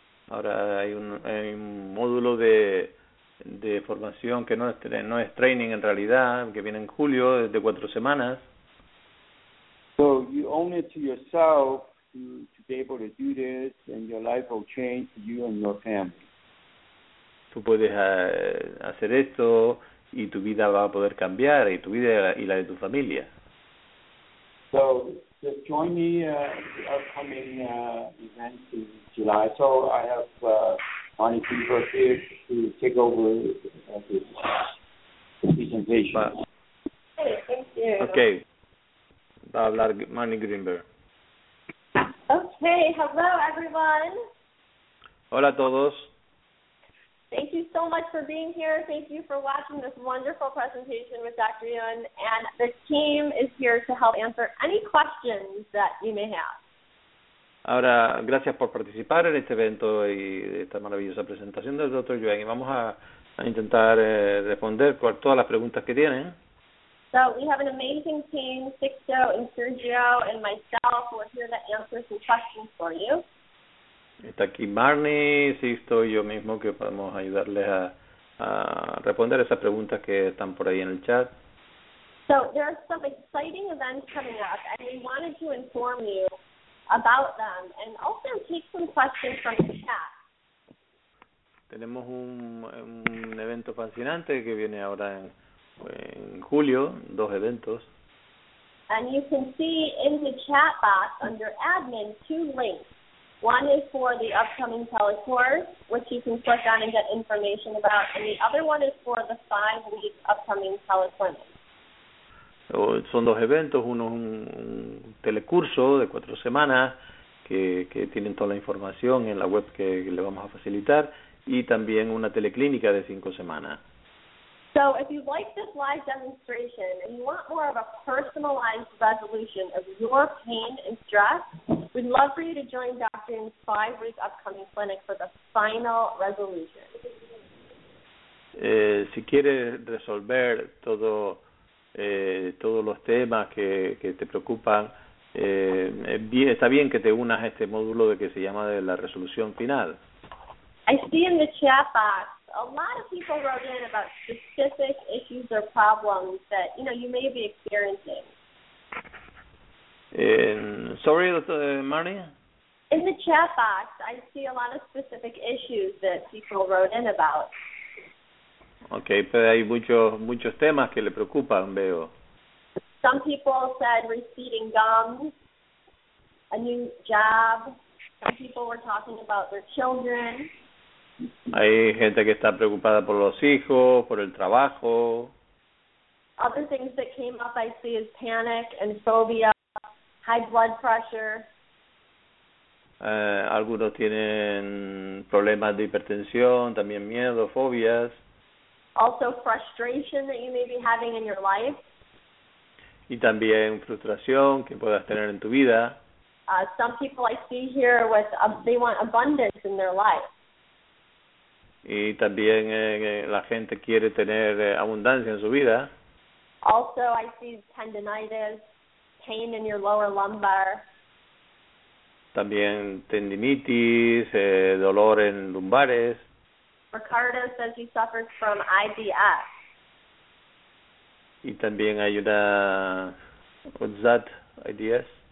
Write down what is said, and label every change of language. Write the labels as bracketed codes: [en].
[es] Ahora hay un módulo de formación que no es training en realidad, que viene en julio, de 4 semanas. [en] So you own it to yourself to be able to do this, and your life will change for you and your family. [es] Tú puedes hacer esto y tu vida va a poder cambiar, y tu vida y la de tu familia. [en] So just join me at the upcoming event in July. So I have Ronnie Greenberg here to take over the presentation. Hey, thank you. [es] Okay. Va a hablar Ronnie Greenberg. [en] Okay, hello everyone. [es] Hola a todos. [en] Thank you so much for being here. Thank you for watching this wonderful presentation with Dr. Yuen. And the team is here to help answer any questions that you may have. [es] Ahora, gracias por participar en este evento y esta maravillosa presentación del Dr. Yuen. Y vamos a intentar responder todas las preguntas que tienen. [en] So we have an amazing team, Sixto and Sergio and myself, who are here to answer some questions for you. [es] Está aquí Marnie, sí, estoy yo mismo, que podemos ayudarles a responder esas preguntas que están por ahí en el chat. [en] So there are some exciting events coming up, and we wanted to inform you about them, and also take some questions from the chat. [es] Tenemos un evento fascinante que viene ahora en julio, 2 eventos. [en] And you can see in the chat box under admin 2 links. One is for the upcoming telecourse, which you can click on and get information about, and the other one is for the 5-week upcoming teleclinic. [es] Son 2 eventos, uno es un telecurso de 4 semanas que tienen toda la información en la web que le vamos a facilitar, y también una teleclínica de 5 semanas. [en] So if you like this live demonstration and you want more of a personalized resolution of your pain and stress, we'd love for you to join Dr. In's 5-week upcoming clinic for the final resolution. [es] Si quieres resolver todos los temas que te preocupan, está bien que te unas a este módulo que se llama de la resolución final. [en] I see in the chat box a lot of people wrote in about specific issues or problems that, you know, you may be experiencing. Sorry, Marnie? In the chat box, I see a lot of specific issues that people wrote in about. [es] Okay, pero hay muchos temas que le preocupan, veo. [en] Some people said receding gums, a new job. Some people were talking about their children. [es] Hay gente que está preocupada por los hijos, por el trabajo. [en] Other things that came up I see is panic and phobia, high blood pressure. [es] Algunos tienen problemas de hipertensión, también miedo, fobias. [en] Also frustration that you may be having in your life. [es] Y también frustración que puedas tener en tu vida. [en] Some people I see here with, they want abundance in their life. [es] Y también la gente quiere tener abundancia en su vida. [en] Also, I see tendinitis, pain in your lower lumbar. [es] También tendinitis, dolor en lumbares. [en] Ricardo says he suffers from IBS. [es] Y también hay una, [en] what's that, [es] IBS?